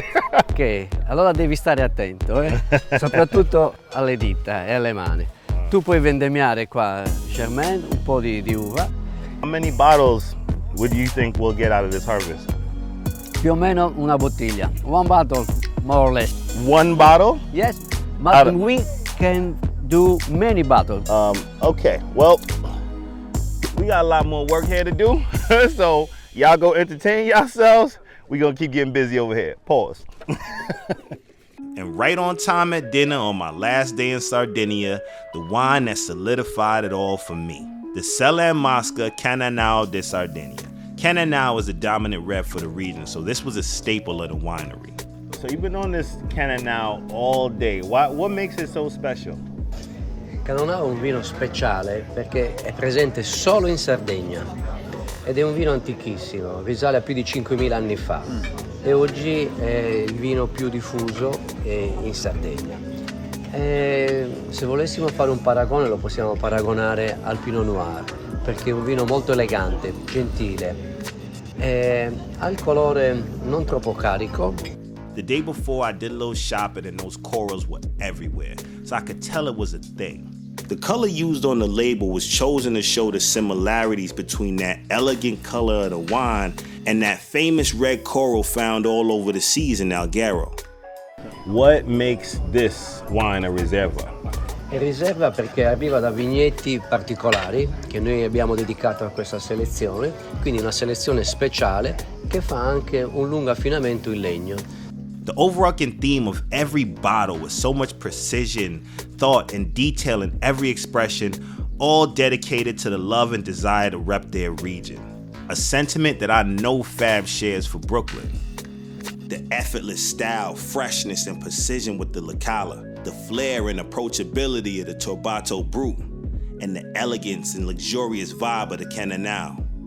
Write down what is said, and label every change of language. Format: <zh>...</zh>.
<it>Ok, allora devi stare attento, soprattutto alle dita e alle mani. Tu puoi vendemmiare qua, Germain, un po' di uva.</it> <en>How many bottles would you think we'll get out of this harvest?</en> <it>Più o meno una bottiglia.</it> <en>One bottle, more or less. One bottle? Yes, but we can do many bottles. Okay, well, we got a lot more work here to do. So y'all go entertain yourselves. We're gonna keep getting busy over here. Pause. And right on time at dinner on my last day in Sardinia, the wine that solidified it all for me. The Sella Mosca Cananao de Sardinia. Cananao is the dominant red for the region, so this was a staple of the winery. So you've been on this Cananao all day. What makes it so special?</en> <it>Cananao è un vino speciale perché è presente solo in Sardegna. Ed è un vino antichissimo, risale a più di 5.000 anni fa. E oggi è il vino più diffuso in Sardegna. E se volessimo fare un paragone, lo possiamo paragonare al Pinot Noir, perché è un vino molto elegante, gentile. E ha il colore non troppo carico.</it> <en>The day before I did a little shopping and those corals were everywhere, so I could tell it was a thing. The color used on the label was chosen to show the similarities between that elegant color of the wine and that famous red coral found all over the seas in Alghero. What makes this wine a riserva?</en> <it>È riserva perché arriva da vigneti particolari che noi abbiamo dedicato a questa selezione, quindi una selezione speciale che fa anche un lungo affinamento in legno.</it> <en>The overarching theme of every bottle was so much precision, thought, and detail in every expression, all dedicated to the love and desire to rep their region. A sentiment that I know Fab shares for Brooklyn. The effortless style, freshness, and precision with the Lacala, the flair and approachability of the Torbato Brut, and the elegance and luxurious vibe of the Cananao.</en>